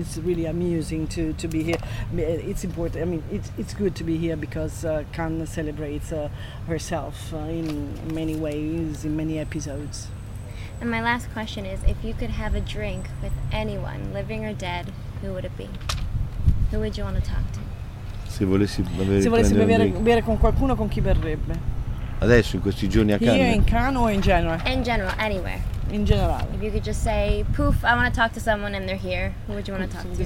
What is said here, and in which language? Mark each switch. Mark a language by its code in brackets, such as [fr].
[en] It's really amusing to be here. It's important. I mean, it's good to be here because Cannes celebrates herself in many ways, in many episodes. And my last question is, if you could have a drink with anyone, living or dead, who would it be? Who would you want to talk to? [it] Se volessi bere con qualcuno, con chi berrebbe? Adesso, in questi giorni a Cannes? [en] Here in Cannes or in general? In general, anywhere. [it] In generale. [en] If you could just say, poof, I want to talk to someone and they're here, who would you want to talk to?